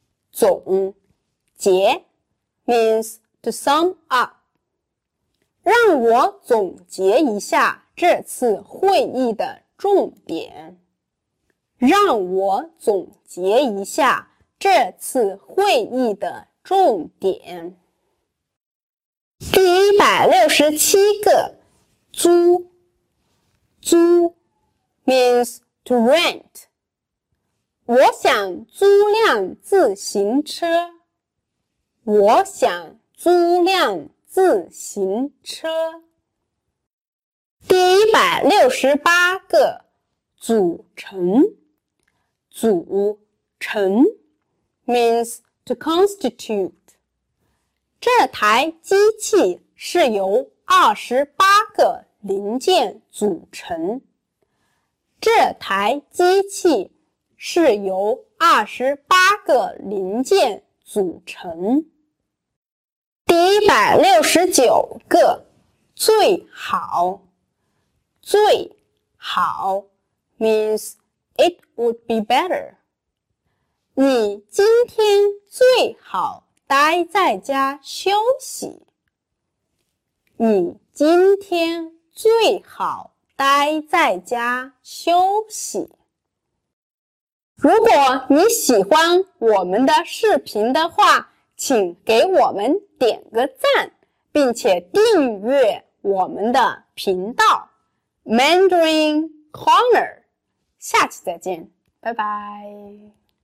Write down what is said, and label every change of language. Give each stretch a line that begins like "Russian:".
English: 总结 means to sum up.
Chinese: 让我总结一下这次会议的重点。让我总结一下这次会议的重点。第167个，租。
English: 租 means to rent.
Chinese: 我想租辆自行车。我想租辆自行车。第168个，组成。
English: 组成 means to constitute.
Chinese: 这台机器是由28个零件组成。这台机器是由28个零件组成。第169个，最好。
English: 最好 means it would be better.
Chinese: 你今天最好待在家休息。你今天最好待在家休息。如果你喜欢我们的视频的话，请给我们点个赞，并且订阅我们的频道 Mandarin Corner。 下期再见，拜拜。